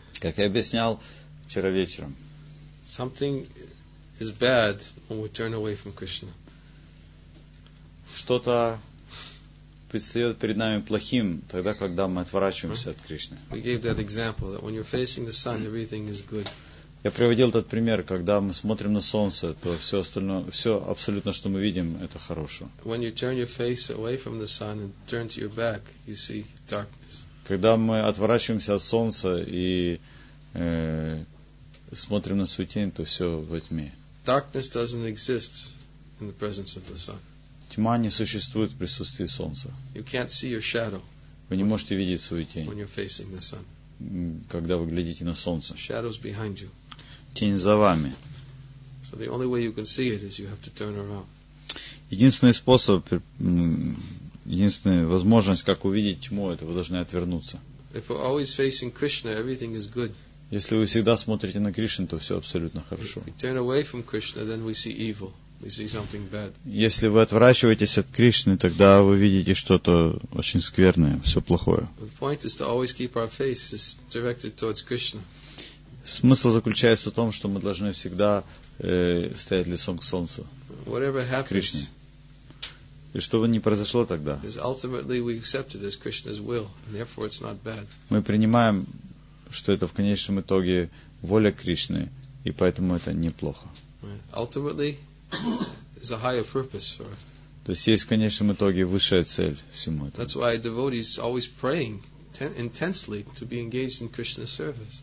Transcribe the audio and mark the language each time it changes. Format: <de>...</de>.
<ru>как я объяснял вчера вечером,</ru> <en>something is bad when we turn away from Krishna.</en> <ru>Что-то предстает перед нами плохим тогда, когда мы отворачиваемся от Кришны.</ru> <en>We gave that example that when you're facing the sun, everything is good.</en> <ru>Я приводил этот пример, когда мы смотрим на солнце, то все остальное, все абсолютно, что мы видим, это хорошо.</ru> <en>When you turn your face away from the sun and turn to your back, you see darkness.</en> <ru>Когда мы отворачиваемся от солнца и смотрим на свой тень, то все во тьме.</ru> <en>Darkness doesn't exist in the presence of the sun.</en> <ru>Тьма не существует в присутствии солнца.</ru> <en>You can't see your shadow.</en> <ru>Вы не можете видеть свою тень.</ru> <en>When you're facing the sun.</en> <ru>Когда вы глядите на солнце.</ru> <en>Shadows behind you.</en> <ru>Тень за вами.</ru> <en>So the only way you can see it is you have to turn around.</en> <ru>Единственный способ, единственная возможность, как увидеть тьму, это вы должны отвернуться.</ru> <en>If you're always facing Krishna, everything is good.</en> <ru>Если вы всегда смотрите на Кришну, то все абсолютно хорошо.</ru> <en>If you turn away from Krishna, then we see evil. We see something bad.</en> <ru>Если вы отворачиваетесь от Кришны, тогда вы видите что-то очень скверное, все плохое.</ru> <en>The point is to always keep our faces directed towards Krishna.</en> <ru>Смысл заключается в том, что мы должны всегда стоять лицом к солнцу.</ru> <en>Whatever happens,</en> <ru>Кришне. И что бы ни произошло тогда,</ru> <en>is ultimately we accept it as Krishna's will, and therefore it's not bad.</en> <ru>Мы принимаем, что это в конечном итоге воля Кришны, и поэтому это неплохо.</ru> <en>Ultimately, is a higher purpose for it.</en> <ru>То есть есть в конечном итоге высшая цель всему этому.</ru> <en>That's why a devotee is always praying intensely to be engaged in Krishna's service.</en>